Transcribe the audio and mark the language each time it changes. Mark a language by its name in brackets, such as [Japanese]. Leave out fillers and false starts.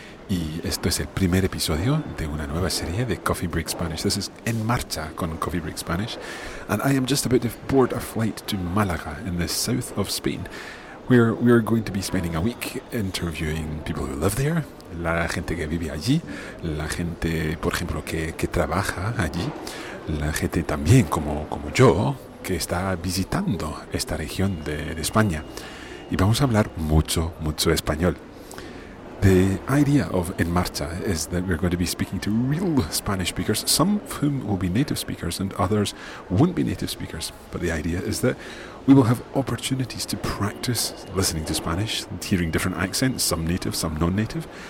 [Spanish] Y esto es el primer episodio de una nueva serie de Coffee Break Spanish. [English] This is En Marcha con Coffee Break Spanish. And I am just about to board a flight to Málaga in the south of Spain. We're going to be spending a week interviewing people who live there, [Spanish] la gente que vive allí, la gente, por ejemplo, que trabaja allí, la gente también, como yo, que está visitando esta región de España. Y vamos a hablar mucho, mucho español. [English] The idea of En Marcha is that we're going to be speaking to real Spanish speakers, some of whom will be native speakers and others won't be native speakers. But the idea is that we will have opportunities to practice listening to Spanish, hearing different accents, some native, some non-native.